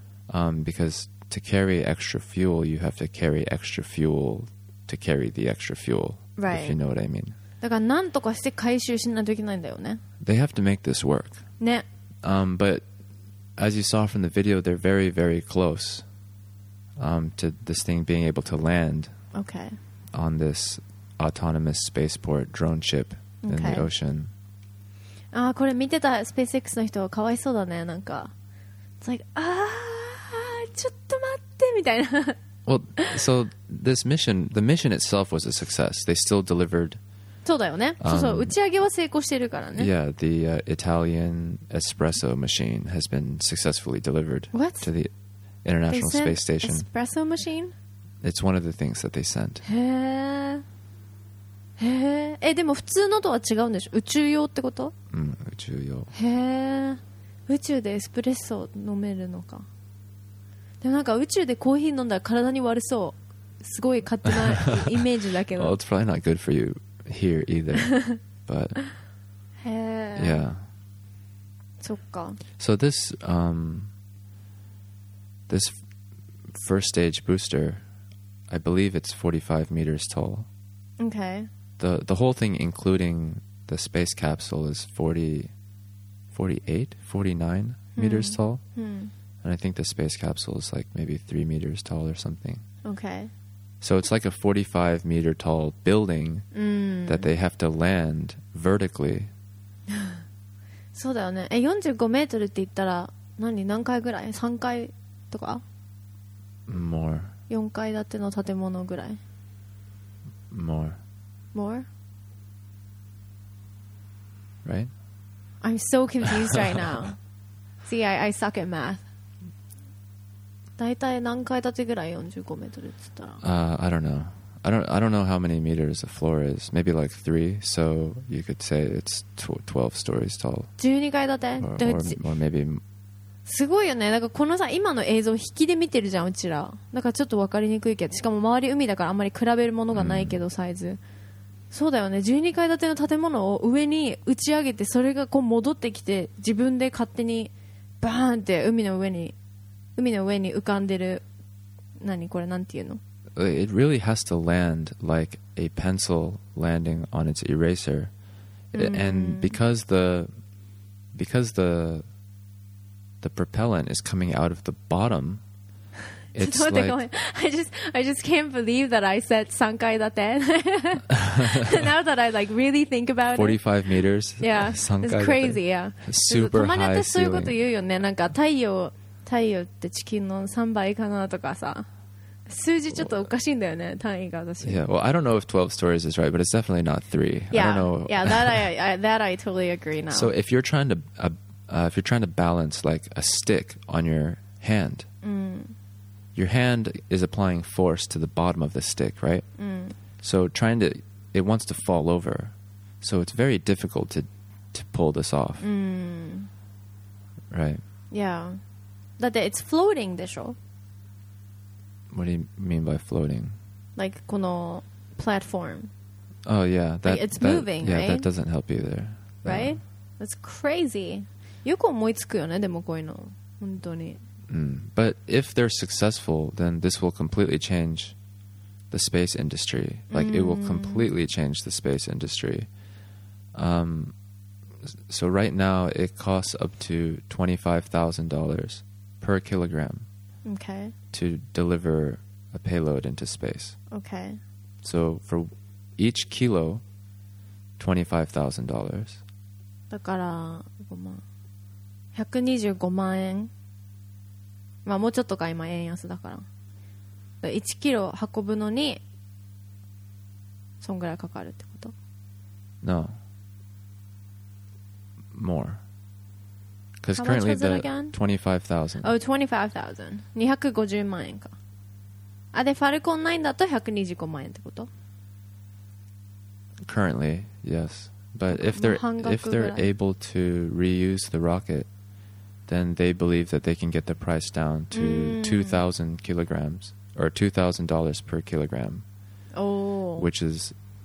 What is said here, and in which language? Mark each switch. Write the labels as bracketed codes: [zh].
[en] Because to carry extra fuel, you have to carry extra fuel to carry the extra fuel. Right. If you know what I mean. [ja] だからなんとかして回収しないといけないんだよね。 [en] They have to make this work. [ja] ね。 [en] But. As you saw from the video, they're very, very close to this thing being able to land okay. on this autonomous spaceport drone ship in okay. the ocean. [ja] Ah, これ見てた SpaceX の人はかわいそうだね。なんか [en] It's like, ah, [ja] ちょっと待ってみたいな。 [en] Well, so this mission, the mission itself was a success. They still delivered. [ja] そうだよね。そうそう、打ち上げは成功してるからね。 [en] Yeah, the Italian espresso machine has been successfully delivered What? to the International they sent Space Station. Espresso machine? It's one of the things that they sent. [ja] へー。へー。え、でも普通のとは違うんでしょ？宇宙用ってこと？うん、宇宙用。へー。宇宙でエスプレッソ飲めるのか。でもなんか宇宙でコーヒー飲んだら体に悪そう。すごい勝手なイメージだけど。 [en] Well, it's probably not good for you. Here either, but yeah, [ja] そっか。 [en] So this, this first stage booster, I believe it's 45 meters tall. Okay, the whole thing, including the space capsule, is 49 meters tall. And I think the space capsule is like maybe 3 meters tall or something. Okay. So it's like a 45 meter tall building that they have to land vertically. [ja] そうだよね。え、45メートルって言ったら何、何階ぐらい ?3 階とか [en] ?More。 [ja] 4階建ての建物ぐらい [en] ?More。 More?Right? I'm so confused right now. See, I suck at math. [ja] 大体何階建てぐらい45メートルって言ったら [en] I don't know. I don't know how many meters a floor is. Maybe like 3. So you could say it's 12 stories tall. [ja] 12階建て [en] or maybe. [ja] すごいよね。だからこのさ、今の映像引きで見てるじゃん、うちら。だからちょっと分かりにくいけど、しかも周り海だからあんまり比べるものがないけど、サイズ。そうだよね。 12階建ての建物を上に打ち上げて、それがこう戻ってきて、自分で勝手にバーンって海の上に浮かんでる。何これ、なんていうの？ [en] It really has to land like a pencil landing on its eraser. And because the propellant is coming out of the bottom, it's like... I just can't believe that I said 3 階建て. Now that I like really think about it. 45 meters. Yeah. It's crazy, yeah. Super high ceiling. [ja] たまにそういうこと言うよね。なんか太陽って地球の3倍かなとかさ。数字ちょっとおかしいんだよね、単位が私。 [en] Yeah, well, I don't know if 12 stories is right, but it's definitely not 3. Yeah, I don't know. Yeah, that I totally agree now. So if you're trying to balance like a stick on your hand, your hand is applying force to the bottom of the stick, right? So trying to, it wants to fall over. So it's very difficult to pull this off. Right. Yeah. [ja] だって [en] it's floating [ja] でしょ? [en] What do you mean by floating? Like [ja] この [en] platform. Oh yeah. That, like it's moving, yeah, right? Yeah, that doesn't help either. Right? That's crazy. [ja] よく思いつくよね、でもこういうの本当に。 [en] But if they're successful, then this will completely change the space industry. Like it will completely change the space industry. So right now it costs up to $25,000 per kilogram. Okay. To deliver a payload into space. Okay. So for each kilo, $25,000. [ja] だから5万。 125万円、まあ、もうちょっとか今円安だから1キロ運ぶのにそんぐらいかかるってこと [en] No More Because currently the [ja] 25,000 Oh 25,000 250万円かあでファルコン9だと125万円ってこと [en] Currently Yes But if they're able to reuse the rocketthen they believe that they can get the price down to 2,000 kilograms or $2,000 per kilogram. Oh. Which is...